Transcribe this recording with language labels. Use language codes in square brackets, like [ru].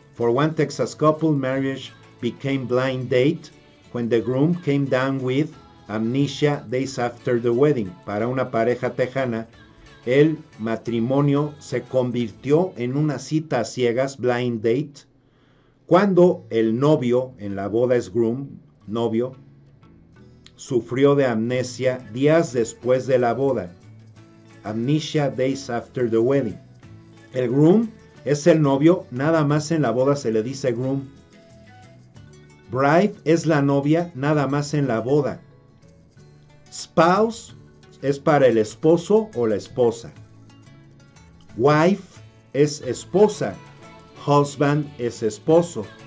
[en] For one Texas couple, marriage became blind date when the groom came down with amnesia days after the wedding. [es] Para una pareja tejana, el matrimonio se convirtió en una cita a ciegas, blind date, cuando el novio, en la boda es groom, novio, sufrió de amnesia días después de la boda. [en] Amnesia days after the wedding. [es] El groom es el novio, nada más en la boda se le dice groom. Bride es la novia, nada más en la boda. Spouse es para el esposo o la esposa. Wife es esposa. Husband es esposo.